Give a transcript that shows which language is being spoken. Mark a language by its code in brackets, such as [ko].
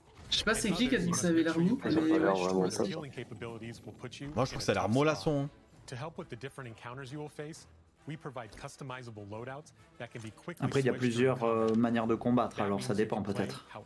[fr] Je sais pas c'est qui a dit que ça avait l'air mou, mais moi je trouve que ça a l'air mollasson. [en] To help with the different encounters you will face, we provide customizable loadouts that can be quickly. [fr] Après, il y a plusieurs manières de combattre, alors ça dépend peut-être.